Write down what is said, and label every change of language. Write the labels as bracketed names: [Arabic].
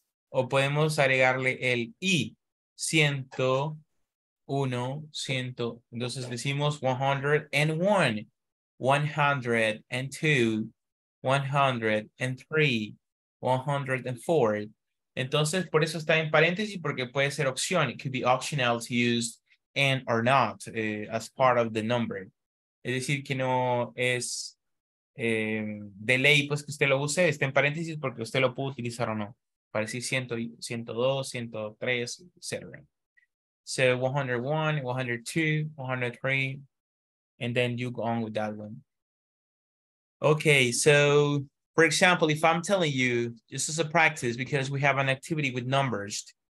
[Spanish] O podemos agregarle el I. 101, 100. Entonces decimos 101. 102. 103. 104. Entonces, por eso está en paréntesis, porque puede ser opción. [English] It could be optional to use and or not as part of the number. [Spanish] Es decir, que no es de ley, pues, que usted lo use. Está en paréntesis porque usted lo puede utilizar o no. Para decir 100, 102, 103, etc. [English] So, 101, 102, 103, and then you go on with that one. Okay, so... For example, if I'm telling you, this is a practice because we have an activity with numbers.